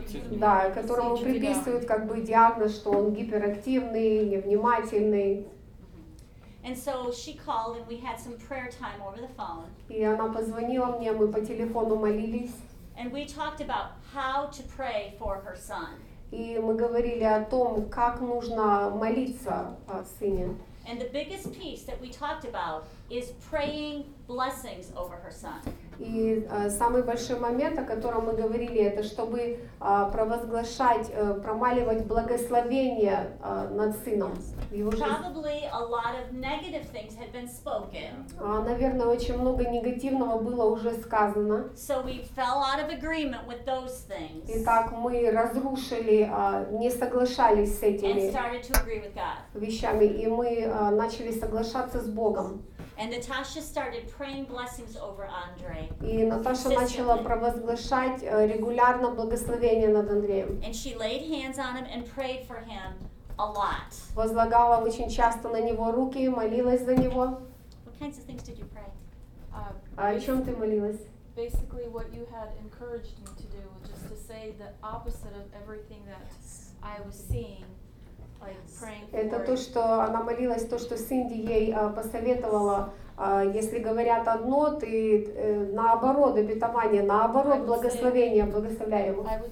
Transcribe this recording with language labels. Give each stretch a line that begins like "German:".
Russian: Да, которому приписывают как бы диагноз, что он гиперактивный, невнимательный.
English: And so she called and we had some prayer time over the phone.
Russian: И она позвонила мне, мы по телефону молились.
English: And we talked about how to pray for her son.
Russian: И мы говорили о том, как нужно молиться о сыне.
English: And the biggest piece that we talked about is praying blessings over her son.
Russian: И самый большой момент, о котором мы говорили, это чтобы провозглашать, промаливать благословение над сыном.
English: Probably a lot of negative things had been spoken.
Russian: Наверное, очень много негативного было уже сказано.
English: So we fell out of agreement with those things.
Russian: Итак, мы разрушили, не соглашались с этими вещами, и мы начали соглашаться с Богом.
English: And Natasha started praying blessings over Andre.
Russian: И Наташа начала провозглашать регулярно благословение над Андреем.
English: And she laid hands on him and prayed for him a lot.
Russian: Возлагала очень часто на него руки, молилась за него.
English: What kinds of things did you pray?
Russian: О чем ты молилась?
English: Basically, what you had encouraged me to do was just to say the opposite of everything that I was seeing.
Russian: Это то, что она молилась, то, что Синди ей посоветовала, если говорят одно, ты наоборот, обетование, наоборот, благословение, благословляй его.